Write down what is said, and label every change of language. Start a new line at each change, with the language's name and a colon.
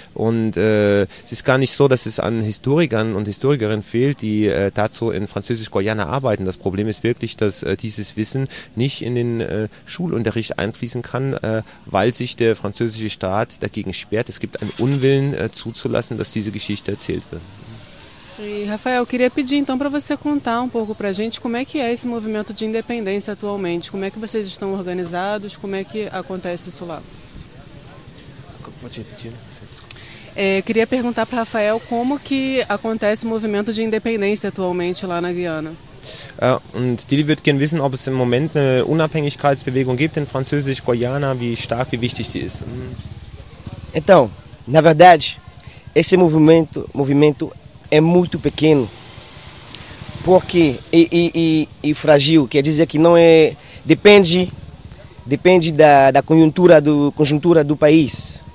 German: Und es ist gar nicht so, dass es an Historikern und Historikerinnen fehlt, die dazu in Französisch-Guayana arbeiten. Das Problem ist wirklich, dass dieses Wissen nicht in den Schulunterricht einfließen kann, weil sich der französische Staat dagegen sperrt. Es gibt einen Unwillen zuzulassen, dass diese Geschichte erzählt wird.
Portuguese: Rafael, queria pedir então para você contar um pouco para a gente como é que é esse movimento de independência atualmente, como é que vocês estão organizados, como é que acontece isso lá. Queria perguntar para Rafael como que acontece o movimento de independência atualmente lá na Guiana.
German: Und Dili würde gerne wissen, ob es im Moment eine Unabhängigkeitsbewegung gibt in Französisch-Guayana, wie stark, wie wichtig die ist.
Portuguese: Então, na verdade, esse movimento é muito pequeno, porque e frágil, quer dizer que não é, depende da conjuntura do país.